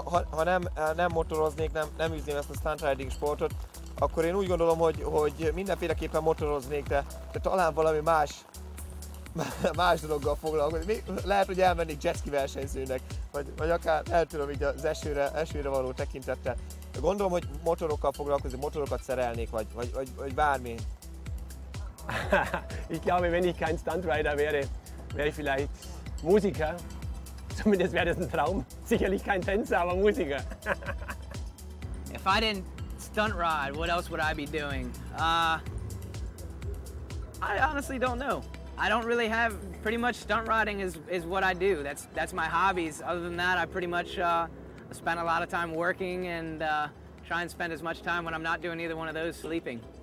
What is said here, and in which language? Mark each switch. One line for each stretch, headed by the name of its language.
Hungarian: Ha nem motoroznék, nem üzném ezt a stunt riding sportot, akkor én úgy gondolom, hogy mindenféleképpen motoroznék, de talán valami más dologgal foglalkozni. Lehet, hogy elmennék jetski versenyzőnek, vagy akár eltűröm így az esőre való tekintettel. Gondolom, hogy motorokkal foglalkozni, motorokat szerelnék, vagy bármi.
German: Ich glaube, wenn ich kein stunt rider wäre, wäre ich vielleicht Musiker. Zumindest wäre das ein Traum. Sicherlich kein Tänzer, aber Musiker.
English: If I didn't stunt ride, what else would I be doing? I honestly don't know. I don't really have, pretty much stunt riding is what I do. That's my hobbies. Other than that, I pretty much spend a lot of time working and try and spend as much time when I'm not doing either one of those, sleeping.